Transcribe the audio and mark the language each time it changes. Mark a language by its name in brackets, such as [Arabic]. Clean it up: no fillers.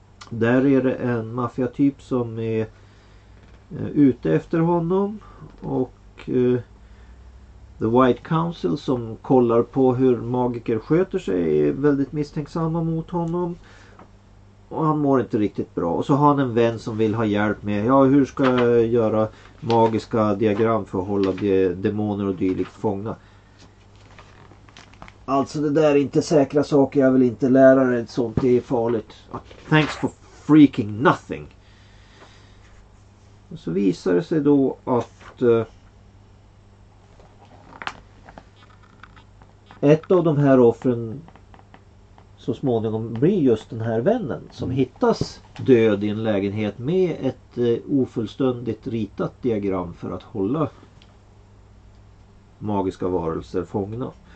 [Swedish] Där är det en maffiatyp som är ute efter honom, och The White Council som kollar på hur magiker sköter sig är väldigt misstänksamma mot honom, och han mår inte riktigt bra. Och så har han en vän som vill ha hjälp med, ja, hur ska jag göra magiska diagram för att hålla demoner och dylikt fångna. Alltså, det där är inte säkra saker, jag vill inte lära dig sånt, det är farligt. [English] Thanks for freaking nothing. [Swedish] Och så visar det sig då att ett av de här offren så småningom blir just den här vännen som hittas död i en lägenhet med ett ofullständigt ritat diagram för att hålla magiska varelser fångna.